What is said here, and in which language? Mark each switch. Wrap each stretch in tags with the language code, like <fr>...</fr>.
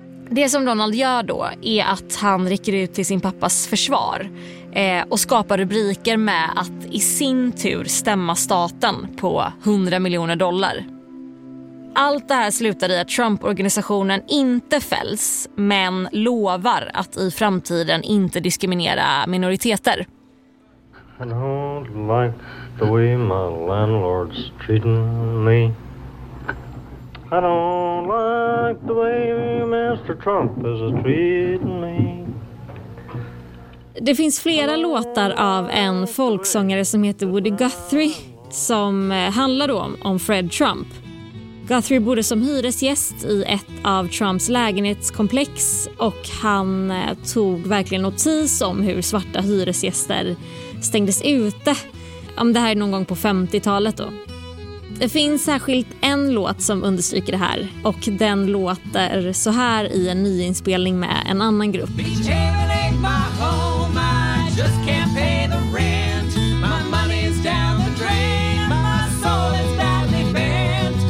<sv>Det som Donald gör då är att han rycker ut till sin pappas försvar och skapar rubriker med att i sin tur stämma staten på 100 miljoner dollar. Allt det här slutar i att Trump-organisationen inte fälls, men lovar att i framtiden inte diskriminera minoriteter.</sv> <en>I don't like the way my landlord's treating me. I don't like the way Mr. Trump is treating me.</en> <sv>Det finns flera låtar av en folksångare som heter Woody Guthrie som handlar då om Fred Trump. Guthrie bodde som hyresgäst i ett av Trumps lägenhetskomplex och han tog verkligen notis om hur svarta hyresgäster stängdes ute om det här är någon gång på 50-talet då. Det finns särskilt en låt som understryker det här, och den låter så här i en ny inspelning med en annan grupp.</sv> <en>Beach Haven ain't my home, I just can't pay the rent. My money's down the drain, my soul is badly bent.</en>